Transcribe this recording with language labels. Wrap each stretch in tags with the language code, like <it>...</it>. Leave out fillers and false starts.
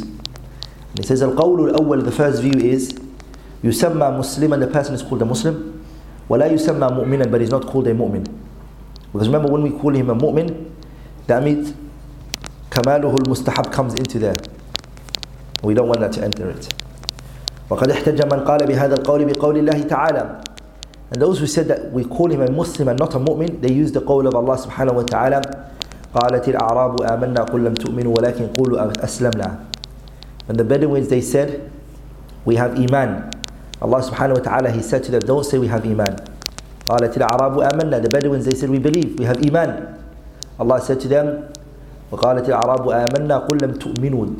<en>And he says, al-qawlu al-awwal, the first view is,</en> <ar>يسمى مسلم,</ar> <en>and the person is called a Muslim.</en> <ar>ولا يسمى مؤمنا,</ar> <en>but he's not called a mu'min. Because remember, when we call him a mu'min, that means</en> <ar>كماله المستحب</ar> <en>comes into there. We don't want that to enter it.</en> <ar>وقد احتج من قال بهذا القول بقول الله تعالى.</ar> <en>And those who said that we call him a Muslim and not a mu'min, they use the قول of Allah سبحانه وتعالى.</en> <ar>قالت الأعراب آمنا قل لم تؤمنوا ولكن قولوا أسلمنا.</ar> <en>And the Bedouins, they said, we have iman. Allah subhanahu wa ta'ala, he said to them, don't say we have iman.</en> <ar>قالت الأعراب آمنا.</ar> <en>The Bedouins, they said, we believe, we have iman. Allah said to them,</en> <ar>وقالت الأعراب آمنا قل لم تؤمنوا.</ar>